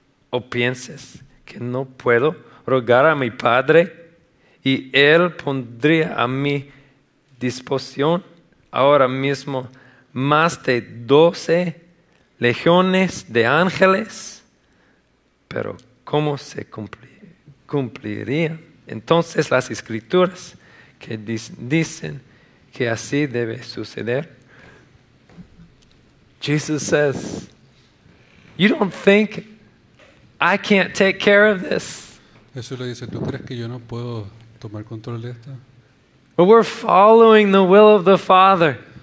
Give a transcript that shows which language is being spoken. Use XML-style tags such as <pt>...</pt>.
<es>¿O piensas que no puedo rogar a mi Padre y Él pondría a mi disposición ahora mismo más de 12 legiones de ángeles, pero ¿cómo se cumplirían entonces las escrituras que dicen que así debe suceder?</es> <en>Jesus says, you don't think I can't take care of this?</en> <es>Jesús le dice, ¿tú crees que yo no puedo tomar control de esto?</es> <en>But we're following the will of the Father.</en>